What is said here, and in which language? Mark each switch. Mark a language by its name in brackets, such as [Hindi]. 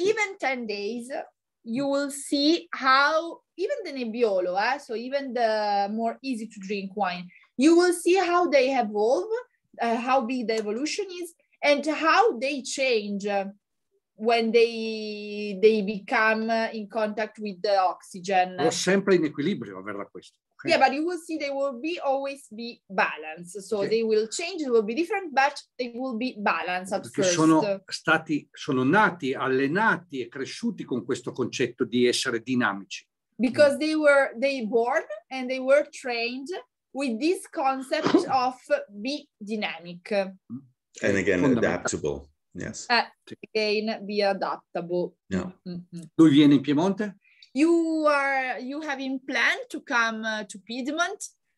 [English] even 10 days you will see how even the Nebbiolo, so even the more easy to drink wine, you will see how they evolve, how big the evolution is and how they change when they become in contact with the oxygen. [Italian] Or sempre in equilibrio avverrà questo. [English] Okay. Yeah, but you will see they will be always be balanced. So okay. They will change, it will be different, but they will be balanced at first. [Italian] Sono nati, allenati e cresciuti con questo concetto di essere dinamici. [English] Because they born and they were trained with this concept of be dynamic. And again, adaptable, yes. Again, be adaptable. No. [Italian] Lui viene in Piemonte? [English] You have in plan to come to Piedmont?